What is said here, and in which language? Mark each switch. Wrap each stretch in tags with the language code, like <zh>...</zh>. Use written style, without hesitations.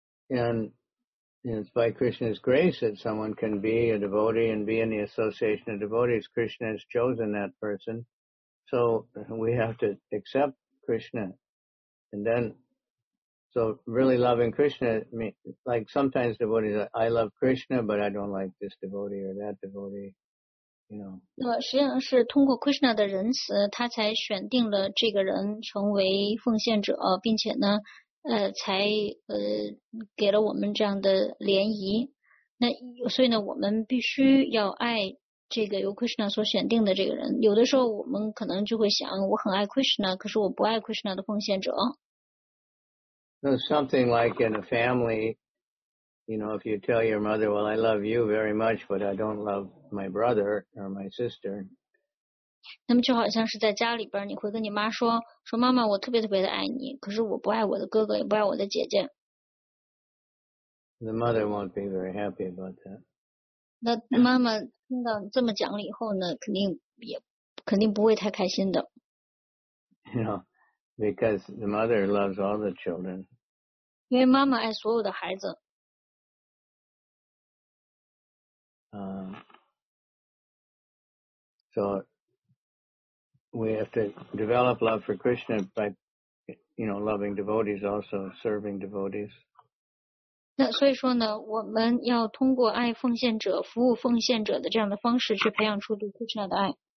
<en>And it's by Krishna's grace that someone can be a devotee and be in the association of devotees. Krishna has chosen that person, so we have to accept Krishna. And then, so really loving Krishna, like sometimes devotees, I love Krishna, but I don't like this devotee or that devotee.</en> <zh>那么实际上是通过 Krishna 的仁慈，他才选定了这个人成为奉献者，并且呢，才给了我们这样的联谊。那所以呢，我们必须要爱这个由 Krishna 所选定的这个人。有的时候我们可能就会想，我很爱 Krishna， 可是我不爱 Krishna 的奉献者。</zh> <en>So something like in a family, you know, if you tell your mother, "Well, I love you very much, but I don't love." My brother or my sister.</en> <zh>那么就好像是在家里边，你会跟你妈说：“说妈妈，我特别特别的爱你，可是我不爱我的哥哥，也不爱我的姐姐。”</zh> <en>The mother won't be very happy about that.</en> <zh>那妈妈听到这么讲了以后呢，肯定不会太开心的。</zh> <en>You know, because the mother loves all the children.</en> <zh>因为妈妈爱所有的孩子。</zh> <en>So we have to develop love for Krishna by, you know, loving devotees, also serving devotees.</en> <zh>那所以说呢，我们要通过爱奉献者、服务奉献者的这样的方式，去培养出对 Krishna 的爱。</zh>